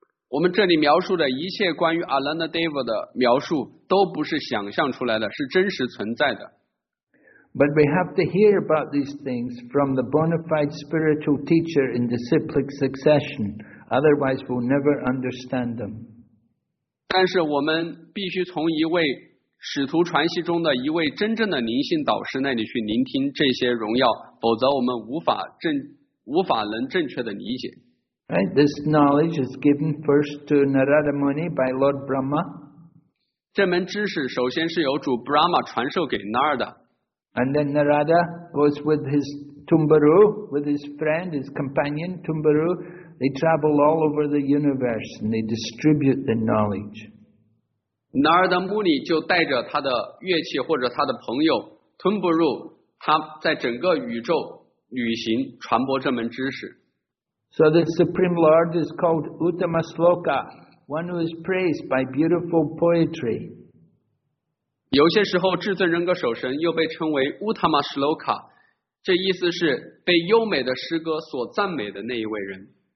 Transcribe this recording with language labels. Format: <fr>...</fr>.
<zh>我们这里描述的一切关于 Ananta Dev 的描述都不是想象出来的，是真实存在的。</zh> <en>But we have to hear about these things from the bona fide spiritual teacher in disciplic succession. Otherwise, we'll never understand them.</en> <zh>但是我们必须从一位使徒传习中的一位真正的灵性导师那里去聆听这些荣耀，否则我们无法正确的理解。</zh> <en>Right, this knowledge is given first to Narada Muni by Lord Brahma.</en> <zh>这门知识首先是由主 Brahma 传授给 Narada.</zh> <en>And then Narada goes with his Tumbaru, with his friend, his companion Tumbaru. They travel all over the universe and they distribute the knowledge.</en> <zh>南尔达穆尼就带着他的乐器或者他的朋友吞布入，他在整个宇宙旅行传播这门知识。</zh> <en>So the Supreme Lord is called Uttama Sloka, one who is praised by beautiful poetry.</en> <zh>有些时候，至尊人格守神又被称为 Uttama Sloka, 这意思是被优美的诗歌所赞美的那一位人。</zh>